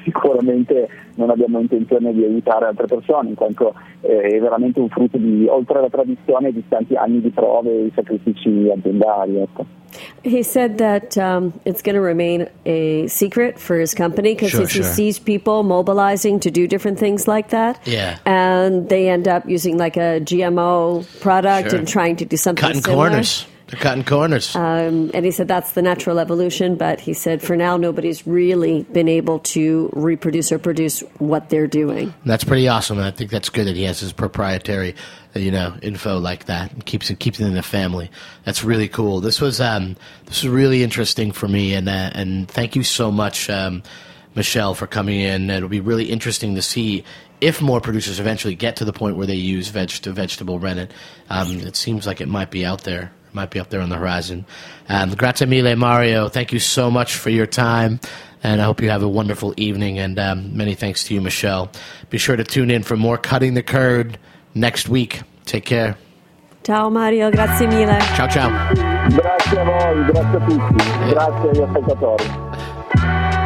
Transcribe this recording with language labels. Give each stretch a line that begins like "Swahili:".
Italian: Sicuramente non abbiamo intenzione di aiutare altre persone, in quanto è veramente un frutto di, oltre alla tradizione, di tanti anni di prove e sacrifici aziendali, ecco.
English: He said that it's going to remain a secret for his company because he sees people mobilizing to do different things like that. Yeah. And they end up using like a GMO product and trying to do something cutting similar. Corners. They're cutting corners. And he said that's the natural evolution, but he said for now nobody's really been able to reproduce or produce what they're doing. That's pretty awesome. I think that's good that he has his proprietary, you know, info like that and keeps it in the family. That's really cool. This was really interesting for me, and thank you so much, Michelle, for coming in. It'll be really interesting to see if more producers eventually get to the point where they use vegetable rennet. It seems like it might be out there. Might be up there on the horizon.
Italian: Grazie mille, Mario.
English: Thank you so much for your time, and I hope you have a wonderful evening, and many thanks to you, Michelle. Be sure to tune in for more Cutting the Curd next week. Take care.
Italian: Ciao, Mario. Grazie mille. Ciao, ciao. Grazie a voi. Grazie a tutti. Grazie agli ascoltatori.